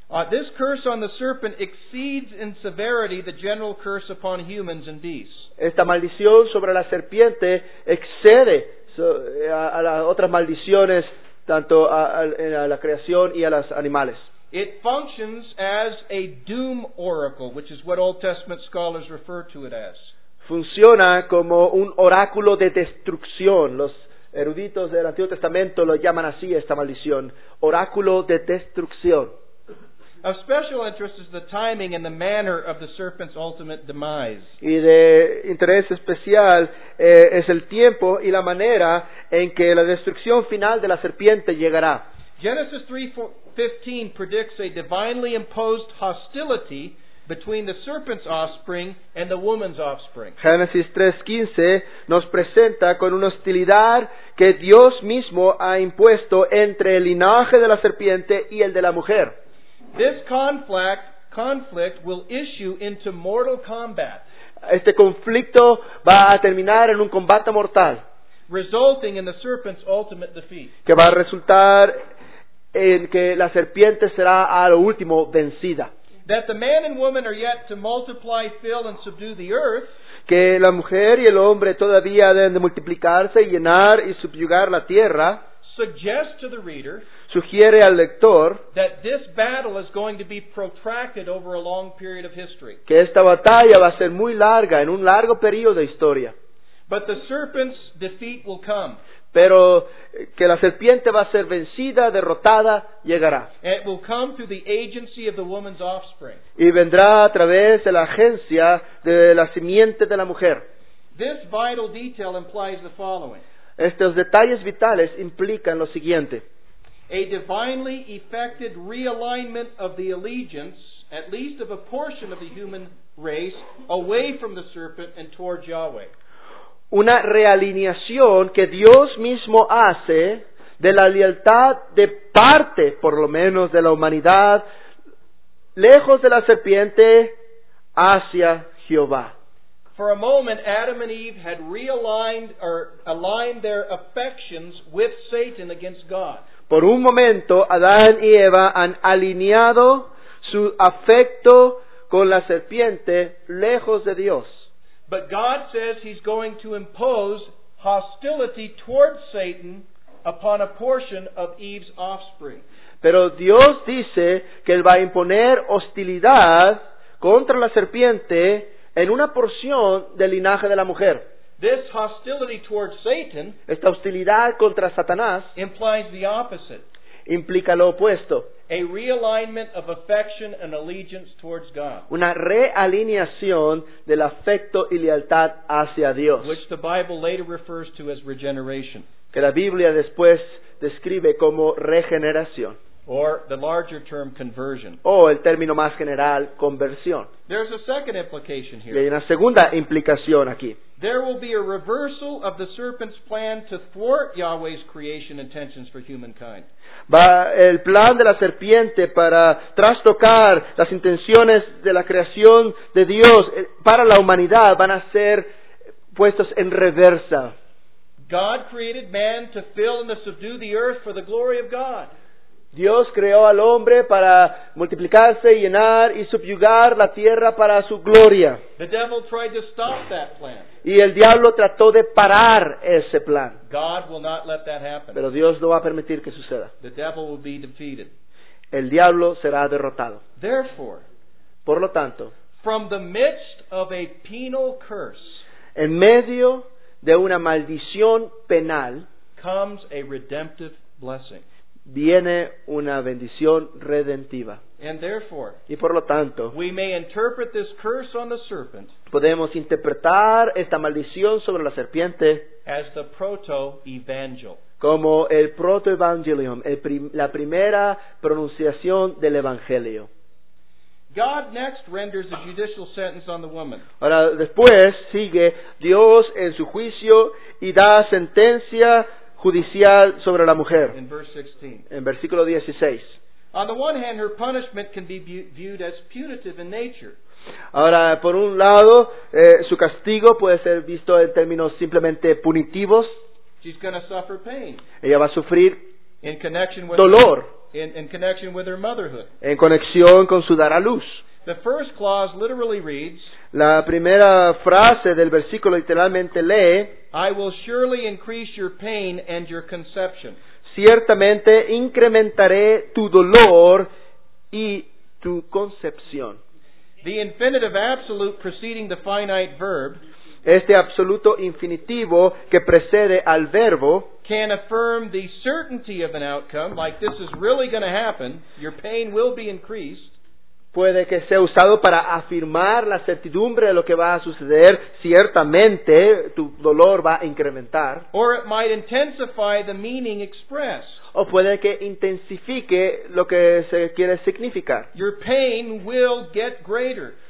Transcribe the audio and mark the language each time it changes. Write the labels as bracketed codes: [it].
[en] This curse on the serpent exceeds in severity the general curse upon humans and beasts. [es] Esta maldición sobre la serpiente excede a las otras maldiciones tanto a la creación y a los animales. [en] It functions as a doom oracle, which is what Old Testament scholars refer to it as. [es] Funciona como un oráculo de destrucción. Los eruditos del Antiguo Testamento lo llaman así, esta maldición. Oráculo de destrucción. [en] Of special interest is the timing and the manner of the serpent's ultimate demise. [es] Y de interés especial es el tiempo y la manera en que la destrucción final de la serpiente llegará. [en] Genesis 3:15 predicts a divinely imposed hostility between the serpent's offspring and the woman's offspring. [es] Génesis 3:15 nos presenta con una hostilidad que Dios mismo ha impuesto entre el linaje de la serpiente y el de la mujer. [en] This conflict will issue into mortal combat. [es] Este conflicto va a terminar en un combate mortal. [en] Resulting in the serpent's ultimate defeat. [es] Que va a resultar en que la serpiente será a lo último vencida. [en] That the man and woman are yet to multiply, fill, and subdue the earth. [es] Que la mujer y el hombre todavía deben de multiplicarse, llenar y subyugar la tierra. [en] Suggest to the reader. [es] Sugiere al lector. [en] That this battle is going to be protracted over a long period of history. [es] Que esta batalla va a ser muy larga, en un largo periodo de historia. [en] But the serpent's defeat will come. [es] Pero que la serpiente va a ser vencida, derrotada, llegará. [en] It will come through the agency of the woman's offspring. [es] Y vendrá a través de la agencia de la simiente de la mujer. [en] This vital detail implies the following. [es] Estos detalles vitales implican lo siguiente. [en] A divinely effected realignment of the allegiance, at least of a portion of the human race, away from the serpent and toward Yahweh. [es] Una realineación que Dios mismo hace de la lealtad de parte, por lo menos, de la humanidad, lejos de la serpiente, hacia Jehová. [en] For a moment, Adam and Eve had aligned their affections with Satan against God. [es] Por un momento, Adán y Eva han alineado su afecto con la serpiente, lejos de Dios. [en] But God says he's going to impose hostility towards Satan upon a portion of Eve's offspring. [es] Pero Dios dice que él va a imponer hostilidad contra la serpiente en una porción del linaje de la mujer. [en] This hostility towards Satan, [es] esta hostilidad contra Satanás, [en] implies the opposite. [es] Implica lo opuesto. [en] A realignment of affection and allegiance towards God. [es] Una realineación del afecto y lealtad hacia Dios. [en] Which the Bible later refers to as regeneration. [es] Que la Biblia después describe como regeneración. [en] Or the larger term, conversion. [es] O el término más general, conversión. [en] There's a second implication here. [es] Y hay una segunda implicación aquí. [en] There will be a reversal of the serpent's plan to thwart Yahweh's creation intentions for humankind. [es] Va el plan de la serpiente para trastocar las intenciones de la creación de Dios para la humanidad van a ser puestos en reversa. [en] God created man to fill and to subdue the earth for the glory of God. [es] Dios creó al hombre para multiplicarse, llenar y subyugar la tierra para su gloria. [en] The devil tried to stop that plan. [es] Y el diablo trató de parar ese plan. [en] God will not let that happen. [es] Pero Dios no va a permitir que suceda. [en] The devil will be defeated. [es] El diablo será derrotado. [en] Therefore, [es] por lo tanto, [en] from the midst of a penal curse, [es] en medio de una maldición penal, [en] comes a redemptive blessing. [es] Viene una bendición redentiva. [en] And therefore, [es] y por lo tanto, [en] we may interpret this curse on the serpent, [es] podemos interpretar esta maldición sobre la serpiente [en] as the proto-evangel, [es] como el proto-evangelium, la primera pronunciación del evangelio. [en] God next renders a judicial sentence on the woman. [es] Ahora después sigue Dios en su juicio y da sentencia judicial sobre la mujer. [en] In verse 16. [es] En versículo 16. [en] On the one hand, her punishment can be viewed as punitive in nature. [es] Ahora, por un lado, su castigo puede ser visto en términos simplemente punitivos. [en] She's going to suffer pain. [es] Ella va a sufrir [en] in connection with [es] dolor. [en] In connection with her motherhood. [es] En conexión con su dar a luz. [en] The first clause literally reads, [es] la primera frase del versículo literalmente lee, [en] I will surely increase your pain and your conception. [es] Ciertamente incrementaré tu dolor y tu concepción. [en] The infinitive absolute preceding the finite verb, [es] este absoluto infinitivo que precede al verbo, [en] can affirm the certainty of an outcome, like this is really going to happen, your pain will be increased. [es] Puede que sea usado para afirmar la certidumbre de lo que va a suceder. Ciertamente, tu dolor va a incrementar. [en] Or it might intensify the meaning expressed. [es] O puede que intensifique lo que se quiere significar. [en] Your pain will get greater.